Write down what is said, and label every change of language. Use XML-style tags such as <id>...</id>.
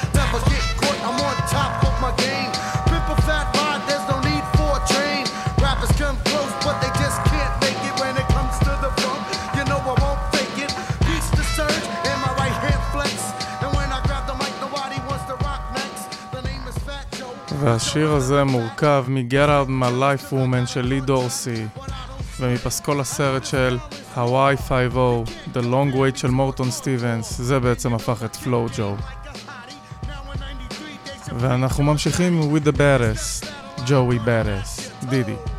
<en>Never get caught, I'm on top of my game. Pimp a fat ride, there's no need for a train. Rappers come close, but they just can't make it. When it comes to the funk, you know I won't fake it. Peace to Surge, and my right hand flex. And when I grab the mic, nobody wants to rock next. The name is Fat Joe.</en> <he>והשיר הזה מורכב מ-Get Out My Life Woman של לי דורסי. ומפסקול הסרט של הוואי 5-0, The Long Wait של מורטון סטיבנס, זה בעצם הפך את פלו ג'ו. ואנחנו ממשיכים</he> <en>with the baddest,</en> <he>ג'וי baddest, דידי.</he>